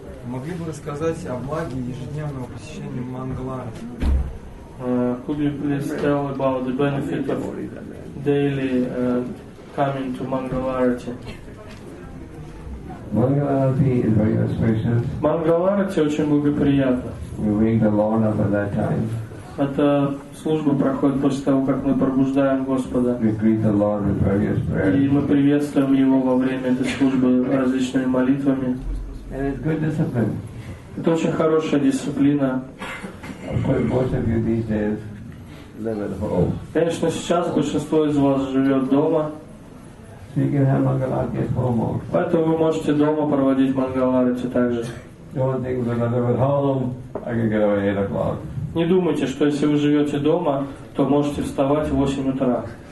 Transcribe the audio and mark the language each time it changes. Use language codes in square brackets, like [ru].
[ru] Могли бы рассказать о благе ежедневного посещения Мангалара? [en] Could you please tell about the benefit of daily coming to Mangalarati? Mangalarati is very auspicious. [ru] Mangalarati очень благоприятно. [en] We ring the Lord up at that time. [ru] Эта служба проходит после того, как мы пробуждаем Господа. [en] We greet the Lord with various prayers. [ru] И мы приветствуем Его во время этой службы различными молитвами. [en] And it's good discipline. [ru] Это очень хорошая дисциплина. [en] Of course, most of you these days live at home. [ru] Конечно, сейчас большинство из вас живет дома. [en] You can have Mangalarati at home also. [ru] Поэтому вы можете дома проводить Мангаларати также. [en] Don't think that if I live at home, I can get away at 8 o'clock. [ru] Не думайте, что если вы живете дома, то можете вставать в 8 утра.